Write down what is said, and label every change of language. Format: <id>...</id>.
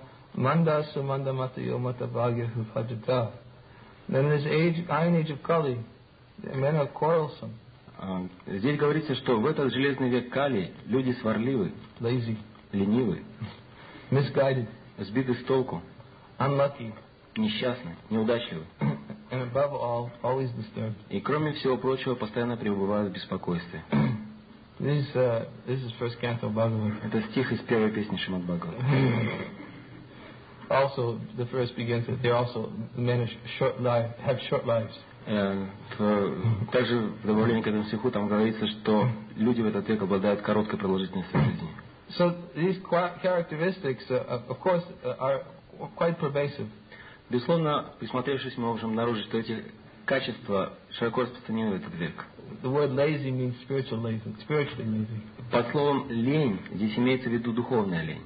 <en>In this age of Kali, men are quarrelsome.</en> <ru>Здесь говорится, что в этот железный век Кали люди сварливы,</ru> <en>lazy,</en> <ru>ленивы,</ru> <en>misguided,</en> <ru>сбиты с толку,</ru> <en>unlucky,</en> <ru>несчастны, неудачливы.</ru> <en>And above all, always disturbed.</en> <ru>И кроме всего прочего, постоянно пребывают в беспокойстве.</ru> <en>This is first canto of Bhagavad.</en> <ru>Это стих из первой песни Шримад Бхагавад.</ru> <en>Also, the verse begins that they also manage short life, have short lives.</en> <ru>Также в добавлении к этому стиху там говорится, что люди в этот век обладают короткой продолжительностью жизни.</ru> <en>So these characteristics, of course, are quite pervasive.</en> <ru>Безусловно, присмотревшись, мы можем обнаружить, что эти качества широко распространены в этот век.</ru> <en>The word lazy means spiritual lazy, spiritually lazy.</en> <ru>Под словом лень здесь имеется в виду духовная лень.</ru>